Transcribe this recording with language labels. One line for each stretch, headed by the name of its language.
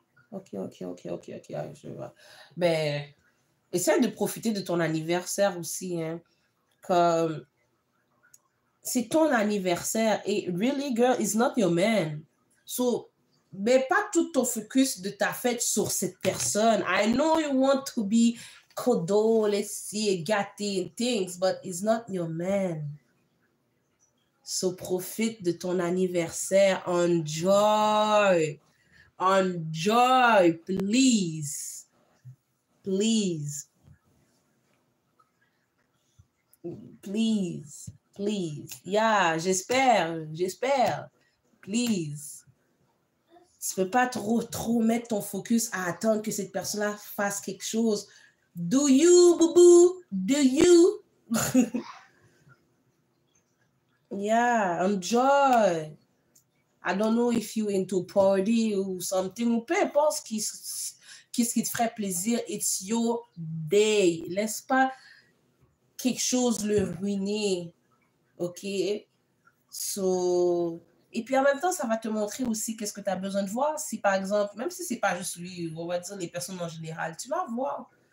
French: Oh. Ok. Je vois. Ben, essaie de profiter de ton anniversaire aussi. Hein. Comme, c'est ton anniversaire. Et
English: really, girl, it's not your man. So,
French: mais pas tout ton focus de ta fête sur cette personne.
English: I know you want to be codole, see, gâté, things, but it's not your man.
French: So profite de ton anniversaire.
English: Enjoy. Enjoy, please. Please. Please. Please. Yeah,
French: j'espère.
English: Please.
French: Tu ne peux pas trop mettre ton focus à attendre que cette personne-là fasse quelque chose.
English: Do you, boubou? Do you? Yeah, enjoy. I don't know if you're into party or something.
French: Ou peu importe ce qui te ferait plaisir.
English: It's your day.
French: Laisse pas quelque chose le ruiner.
English: OK? So...
French: Et puis, en même temps, ça va te montrer aussi qu'est-ce que tu as besoin de voir. Si, par exemple, même si ce n'est pas juste lui, on va dire les personnes en général, tu vas voir.